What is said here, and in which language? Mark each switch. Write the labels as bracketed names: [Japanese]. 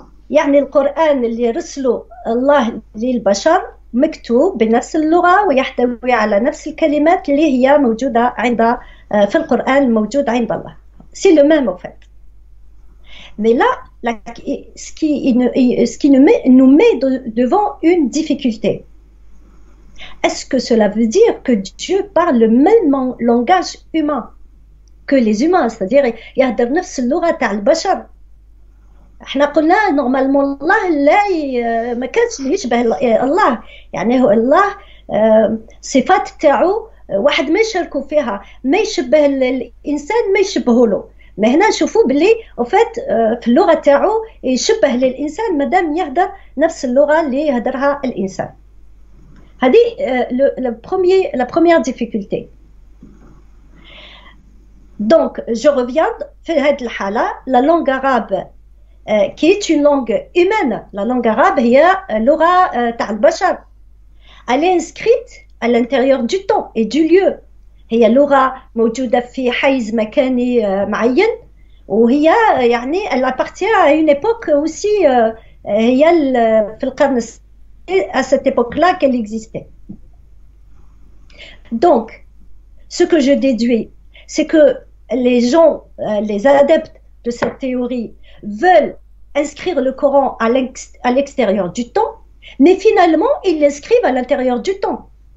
[Arabic] يعني القرآن اللي رسله الله للبشر مكتوب بنفس اللغة ويحتوي على نفس الكلمات اللي هي موجودة عند في القرآن موجود عند الله. [French] C'est le même en fait. Mais là, ce qui nous met devant une difficulté. Est-ce que cela veut dire que Dieu parle le même langage humain que les humains, c'est-à-dire [Arabic] يهدر نفس اللغة تاع البشر؟ احنا قلنا نورمالمون الله لا ما كانش يشبه الله يعني هو الله صفات تاعو واحد ما يشاركوا فيها ما يشبه الانسان ما يشبهه له ما هنا نشوفوا بلي وفات في اللغه تاعو يشبه للانسان مادام يهدر نفس اللغه اللي يهدرها الانسان هذه [French] لا بروميير ديفيكولتي. Donc je reviens [Arabic] في هذه الحاله [French] la langue arabe qui est une langue humaine, la langue arabe, [Arabic] هي لغة تاع البشر. [French] Elle est inscrite à l'intérieur du temps et du lieu. [Arabic] هي لغة موجودة في حيز مكاني معين وهي يعني [French] elle appartient à une époque aussi [Arabic] هي في القرن [French] à cette époque-là qu'elle existait. Donc ce que je déduis c'est que les gens les adeptes de cette théorie veulent inscrire le Coran à l'extérieur du temps mais finalement ils l'inscrivent à l'intérieur du temps.